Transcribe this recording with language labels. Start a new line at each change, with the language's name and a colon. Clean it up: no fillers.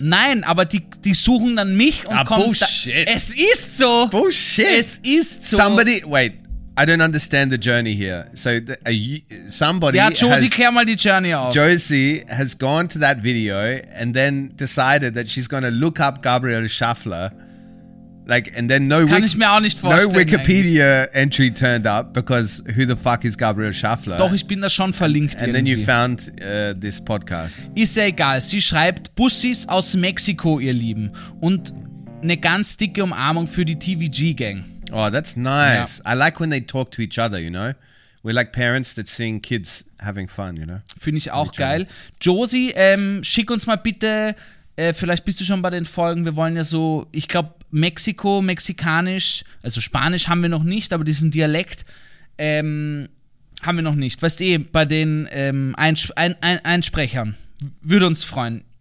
German: Nein, aber die suchen dann mich und kommen
English: bullshit.
German: Da. Es ist so.
English: Bullshit.
German: Es ist so.
English: Somebody, wait, I don't understand the journey here. So somebody
German: has... Ja, Josie, klär mal die Journey auf.
English: Josie has gone to that video and then decided that she's going to look up Gabriel Schaffler. Like, and then no,
German: kann ich mir auch nicht vorstellen, no Wikipedia eigentlich.
English: Entry turned up because who the fuck is Gabriel Schaffler?
German: Doch, ich bin da schon verlinkt.
English: And then you found this podcast.
German: Ist ja egal. Sie schreibt Bussis aus Mexiko, ihr Lieben. Und eine ganz dicke Umarmung für die TVG-Gang.
English: Oh, that's nice. Ja. I like when they talk to each other, you know? We're like parents that seeing kids having fun, you know?
German: Finde ich auch geil. Josie, schick uns mal bitte, vielleicht bist du schon bei den Folgen. Wir wollen ja so, ich glaube, Mexiko, Mexikanisch, also Spanisch haben wir noch nicht, aber diesen Dialekt haben wir noch nicht. Weißt du, bei den Einsprechern würde uns freuen.